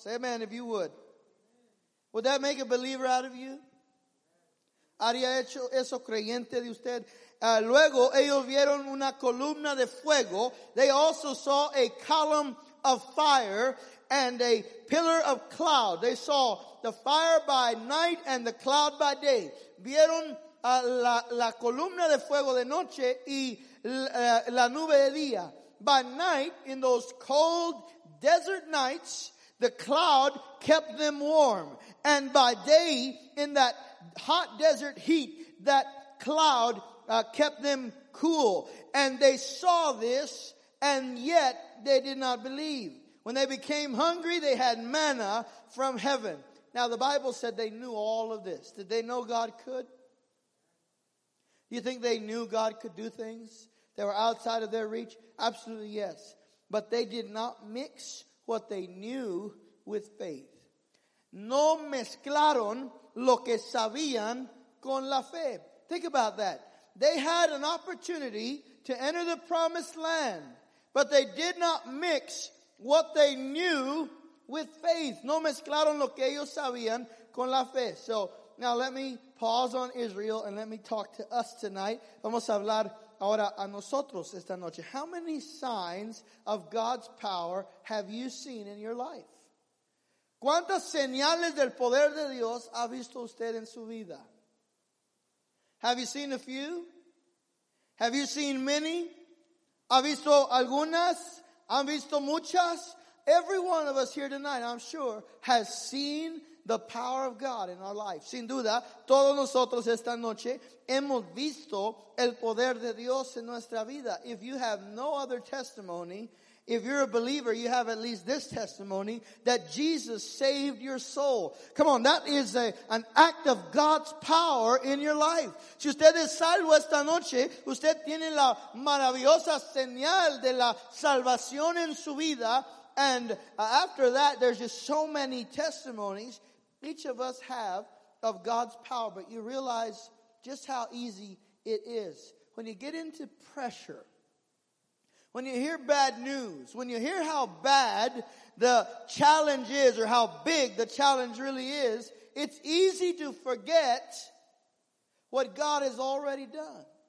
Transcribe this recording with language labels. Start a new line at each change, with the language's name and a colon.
English: Say amen if you would. Would that make a believer out of you?
Spanish: ¿Haría hecho eso creyente de usted? Luego ellos vieron una columna de fuego.
English: They also saw a column of fire and a pillar of cloud. They saw the fire by night and the cloud by day.
Spanish: Vieron la columna de fuego de noche y la nube de día.
English: By night, in those cold desert nights, the cloud kept them warm. And by day, in that hot desert heat, that cloud kept them cool. And they saw this, and yet they did not believe. When they became hungry, they had manna from heaven. Now, the Bible said they knew all of this. Did they know God could? You think they knew God could do things that were outside of their reach? Absolutely yes. But they did not mix what they knew with faith.
Spanish: No mezclaron lo que sabían con la fe.
English: Think about that. They had an opportunity to enter the promised land, but they did not mix what they knew with faith.
Spanish: No mezclaron lo que ellos sabían con la fe.
English: So now let me pause on Israel and let me talk to us tonight.
Spanish: Vamos a hablar ahora a nosotros esta noche.
English: How many signs of God's power have you seen in your life?
Spanish: ¿Cuántas señales del poder de Dios ha visto usted en su vida?
English: Have you seen a few? Have you seen many?
Spanish: ¿Ha visto algunas? ¿Han visto muchas?
English: Every one of us here tonight, I'm sure, has seen the power of God in our life.
Spanish: Sin duda, todos nosotros esta noche hemos visto el poder de Dios en nuestra vida.
English: If you have no other testimony, if you're a believer, you have at least this testimony that Jesus saved your soul. Come on, that is an act of God's power in your life.
Spanish: Si usted es salvo esta noche, usted tiene la maravillosa señal de la salvación en su vida.
English: And after that, there's just so many testimonies each of us have of God's power. But you realize just how easy it is. When you get into pressure, when you hear bad news, when you hear how bad the challenge is or how big the challenge really is, it's easy to forget what God has already done.